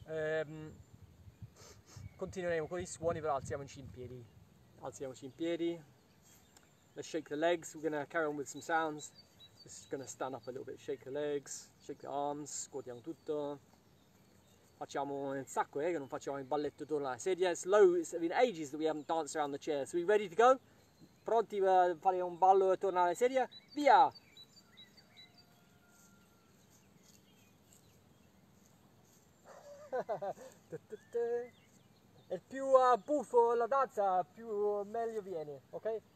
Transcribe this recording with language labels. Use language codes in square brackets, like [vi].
[it] Continueremo con i suoni, però alziamoci in piedi. Alziamoci in piedi. [en] Let's shake the legs. We're gonna carry on with some sounds. Just gonna stand up a little bit. Shake the legs, shake the arms. [it] Scuotiamo tutto. Facciamo un sacco, che non facciamo il balletto attorno alla sedia. [en] It's been ages that we haven't danced around the chair. So we ready to go? [it] Pronti per fare un ballo attorno alla sedia? Via! E più buffo la danza, più meglio viene, ok?